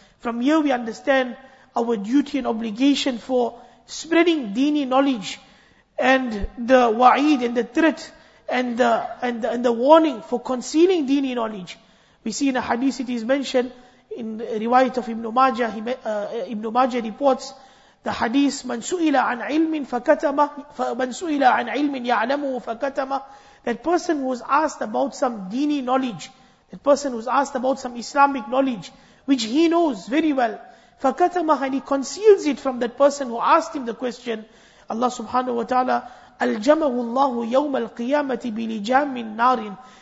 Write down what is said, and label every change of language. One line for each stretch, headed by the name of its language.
English: From here we understand our duty and obligation for spreading dini knowledge and the wa'id and the threat and the warning for concealing dini knowledge. We see in a hadith it is mentioned in riwayat of Ibn Majah. Ibn Majah reports the hadith:
Arabic: من سئل عن علم فكتمه فمن سئل عن علم يعلمه فكتمه.
English: That person who was asked about some dini knowledge, that person who was asked about some Islamic knowledge, which he knows very well,
Arabic: فَكَتَمَهَ,
English: and he conceals it from that person who asked him the question, Allah subhanahu wa ta'ala,
Arabic: أَلْجَمَهُ اللَّهُ يَوْمَ الْقِيَامَةِ بِلِجَامٍ نَارٍ.